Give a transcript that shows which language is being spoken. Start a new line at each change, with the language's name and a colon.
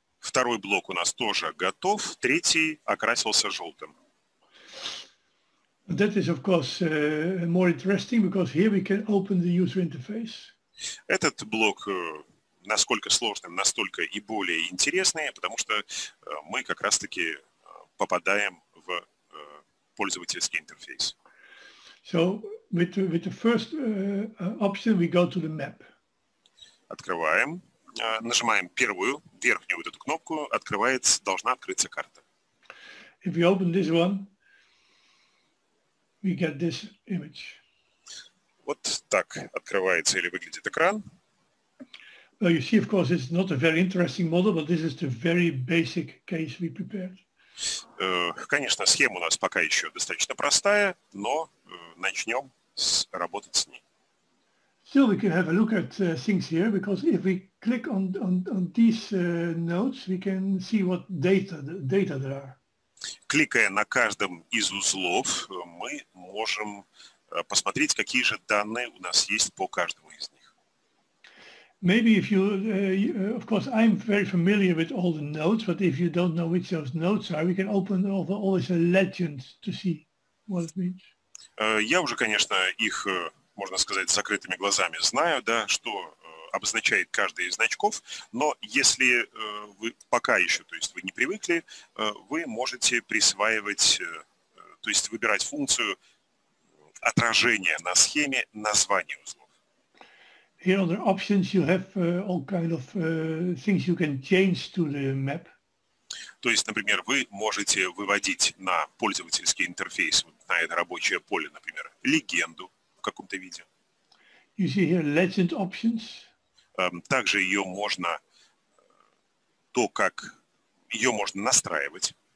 Russian: Второй блок у нас тоже готов, третий окрасился желтым.
English: That is, of course, more interesting, because here we can open the user interface.
Russian: Этот блок насколько сложным, настолько и более интересный, потому что мы как раз-таки попадаем в пользовательский интерфейс.
English: So, with the first option, we go to the map.
Russian: Открываем, нажимаем первую, верхнюю вот эту кнопку, открывается, должна открыться карта.
English: If we open this one, we get this image.
Russian: Вот так открывается или выглядит экран.
English: Well, you see, of course, it's not a very interesting model, but this is the very basic case we prepared.
Russian: Конечно, схема у нас пока еще достаточно простая, но начнем работать с ней.
English: Still, we can have a look at things here, because if we click on these notes, we can see what data there are.
Russian: Кликая на каждом из узлов, мы можем посмотреть, какие же данные у нас есть по каждому из них.
English: Maybe if you, of course, I'm very familiar with all the notes, but if you don't know which those notes are, we can open over always a legend to see what it means.
Russian: Я уже, конечно, их, можно сказать, закрытыми глазами знаю, да, что обозначает каждый из значков, но если вы пока еще, то есть вы не привыкли, вы можете присваивать, то есть выбирать функцию отражения на схеме названия узла.
English: Here under options you have all kind of things you can change to the map.
Russian: То есть, например, вы можете выводить на пользовательский интерфейс, на это рабочее поле, например, легенду в каком-то виде.
English: You see here legend options.
Russian: Также ее можно, то как ее можно настраивать.